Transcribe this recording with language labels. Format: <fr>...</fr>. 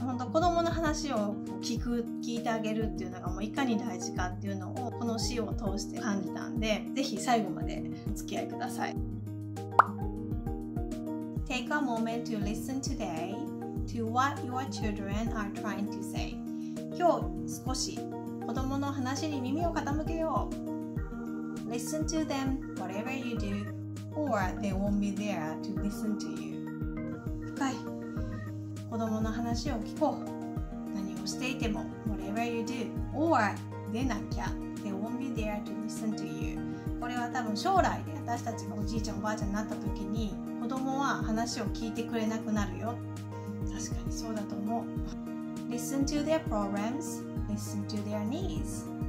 <ja>子供の話を聞いてあげるっていうのがもういかに大事かっていうのをこの詩を通して感じたんで、ぜひ最後までお付き合いください。</ja> <en>Take a moment to listen today to what your children are trying to say.</en> <ja>今日少し子供の話に耳を傾けよう。</ja> <en>Listen to them whatever you do or they won't be there to listen to you.</en> <ja>深い。子供の話を聞こう。何をしていても</ja> <en>whatever you do or</en> <ja>出なきゃ</ja> <en>they won't be there to listen to you。</en> <ja>これは多分将来で私たちがおじいちゃんおばあちゃんになった時に子供は話を聞いてくれなくなるよ。確かにそうだと思う。</ja> <en>Listen to their problems, listen to their needs。</en>